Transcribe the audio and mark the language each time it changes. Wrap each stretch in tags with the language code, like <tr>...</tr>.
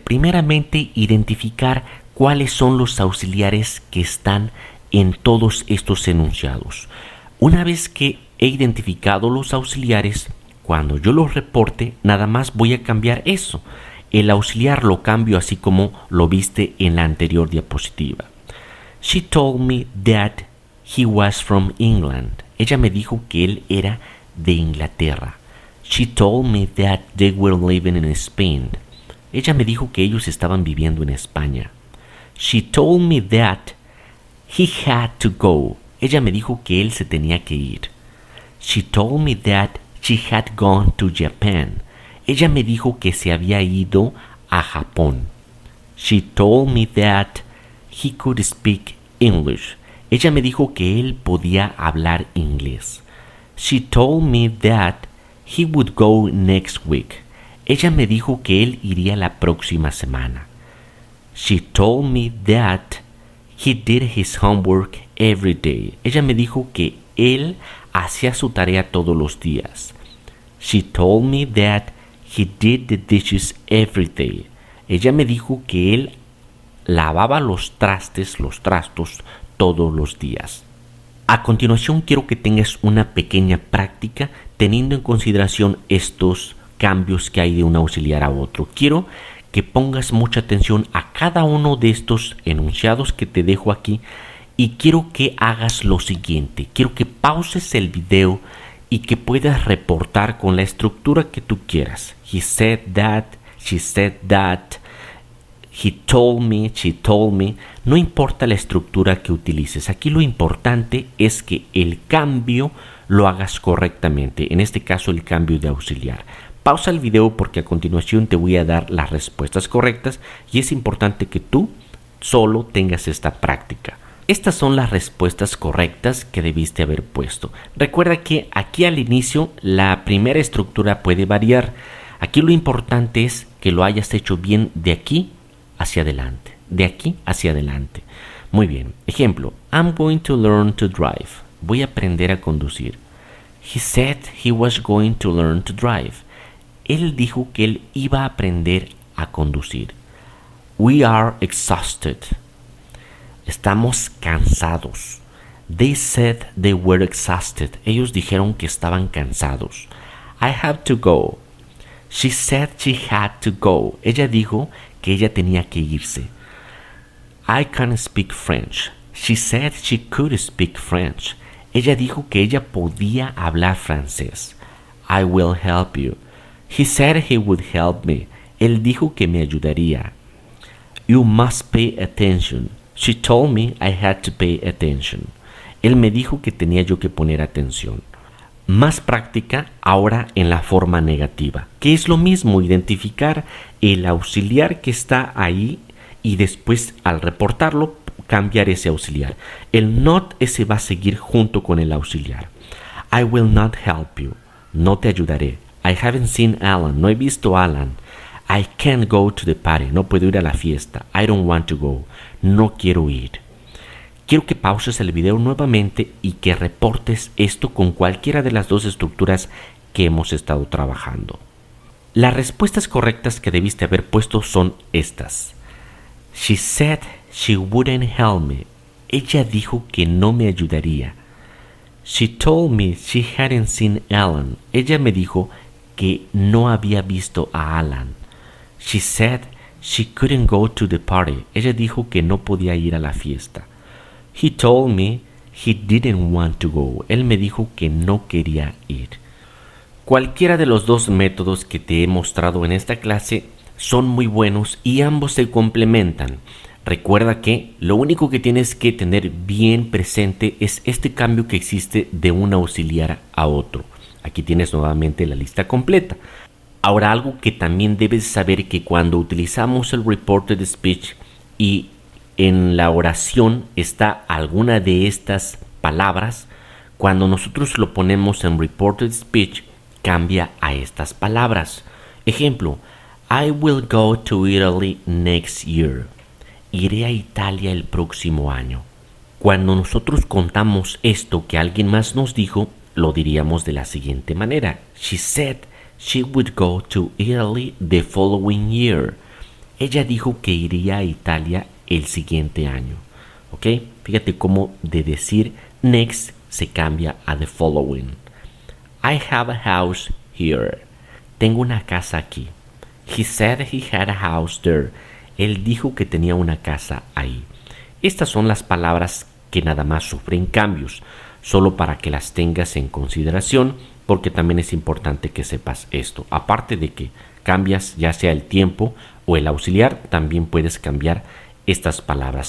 <es>Primeramente, identificar cuáles son los auxiliares que están en todos estos enunciados. Una vez que he identificado los auxiliares, cuando yo los reporte, nada más voy a cambiar eso. El auxiliar lo cambio así como lo viste en la anterior diapositiva.</es> <en>She told me that he was from England.</en> <es>Ella me dijo que él era de Inglaterra.</es> <en>She told me that they were living in Spain.</en> <es>Ella me dijo que ellos estaban viviendo en España.</es> <en>She told me that he had to go.</en> <es>Ella me dijo que él se tenía que ir.</es> <en>She told me that she had gone to Japan.</en> <es>Ella me dijo que se había ido a Japón.</es> <en>She told me that he could speak English.</en> <es>Ella me dijo que él podía hablar inglés.</es> <en>She told me that he would go next week.</en> <es>Ella me dijo que él iría la próxima semana.</es> <en>She told me that he did his homework every day.</en> <es>Ella me dijo que él hacía su tarea todos los días.</es> <en>She told me that he did the dishes every day.</en> <es>Ella me dijo que él lavaba los trastos todos los días. A continuación quiero que tengas una pequeña práctica teniendo en consideración estos cambios que hay de un auxiliar a otro. Quiero que pongas mucha atención a cada uno de estos enunciados que te dejo aquí y quiero que hagas lo siguiente. Quiero que pauses el video y que puedas reportar con la estructura que tú quieras.</es> <en>He said that, she said that, he told me, she told me.</en> <es>No importa la estructura que utilices. Aquí lo importante es que el cambio lo hagas correctamente. En este caso, el cambio de auxiliar. Pausa el video porque a continuación te voy a dar las respuestas correctas y es importante que tú solo tengas esta práctica. Estas son las respuestas correctas que debiste haber puesto. Recuerda que aquí al inicio la primera estructura puede variar. Aquí lo importante es que lo hayas hecho bien de aquí hacia adelante. De aquí hacia adelante. Muy bien. Ejemplo.</es> <en>I'm going to learn to drive.</en> <es>Voy a aprender a conducir.</es> <en>He said he was going to learn to drive.</en> <es>Él dijo que él iba a aprender a conducir.</es> <en>We are exhausted.</en> <es>Estamos cansados.</es> <en>They said they were exhausted.</en> <es>Ellos dijeron que estaban cansados.</es> <en>I have to go. She said she had to go.</en> <es>Ella dijo que ella tenía que irse.</es> <en>I can't speak French. She said she could speak French.</en> <es>Ella dijo que ella podía hablar francés.</es> <en>I will help you. He said he would help me.</en> <es>Él dijo que me ayudaría.</es> <en>You must pay attention. She told me I had to pay attention.</en> <es>Él me dijo que tenía yo que poner atención. Más práctica ahora en la forma negativa, que es lo mismo identificar el auxiliar que está ahí y después al reportarlo cambiar ese auxiliar. El not ese va a seguir junto con el auxiliar.</es> <en>I will not help you.</en> <es>No te ayudaré.</es> <en>I haven't seen Alan.</en> <es>No he visto a Alan.</es> <en>I can't go to the party.</en> <es>No puedo ir a la fiesta.</es> <en>I don't want to go.</en> <es>No quiero ir. Quiero que pauses el video nuevamente y que reportes esto con cualquiera de las dos estructuras que hemos estado trabajando. Las respuestas correctas que debiste haber puesto son estas.</es> <en>She said she wouldn't help me.</en> <es>Ella dijo que no me ayudaría.</es> <en>She told me she hadn't seen Alan.</en> <es>Ella me dijo que no había visto a Alan.</es> <en>She said she couldn't go to the party.</en> <es>Ella dijo que no podía ir a la fiesta.</es> <en>He told me he didn't want to go.</en> <es>Él me dijo que no quería ir. Cualquiera de los dos métodos que te he mostrado en esta clase son muy buenos y ambos se complementan. Recuerda que lo único que tienes que tener bien presente es este cambio que existe de un auxiliar a otro. Aquí tienes nuevamente la lista completa. Ahora, algo que también debes saber, que cuando utilizamos el reported speech y en la oración está alguna de estas palabras, cuando nosotros lo ponemos en reported speech, cambia a estas palabras. Ejemplo,</es> <en>I will go to Italy next year.</en> <es>Iré a Italia el próximo año. Cuando nosotros contamos esto que alguien más nos dijo, lo diríamos de la siguiente manera.</es> <en>She said she would go to Italy the following year.</en> <es>Ella dijo que iría a Italia el siguiente año. ¿Ok? Fíjate cómo de decir next se cambia a the following.</es> <en>I have a house here.</en> <es>Tengo una casa aquí.</es> <en>He said he had a house there.</en> <es>Él dijo que tenía una casa ahí. Estas son las palabras que nada más sufren cambios, solo para que las tengas en consideración, porque también es importante que sepas esto. Aparte de que cambias ya sea el tiempo o el auxiliar, también puedes cambiar estas palabras.</es>